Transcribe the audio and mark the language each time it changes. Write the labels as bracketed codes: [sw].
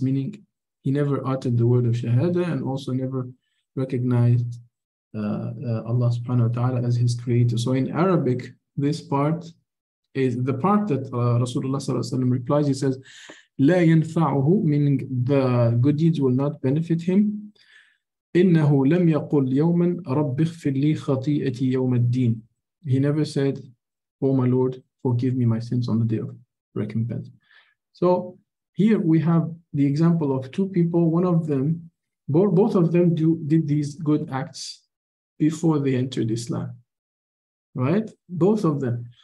[en] Meaning, he never uttered the word of Shahada and also never recognized Allah subhanahu wa ta'ala as his creator. So in Arabic, this part is the part that Rasulullah sallallahu alaihi wasallam replies. He says, [ar] لا ينفعه, [en] meaning the good deeds will not benefit him. [ar] إنه لم يقل يوما رب اغفر لي خطيئتي يوم الدين. [en] He never said, oh my Lord, forgive me my sins on the day of recompense. So here we have the example of two people. One of them, both of them did these good acts before they entered Islam, right? Both of them.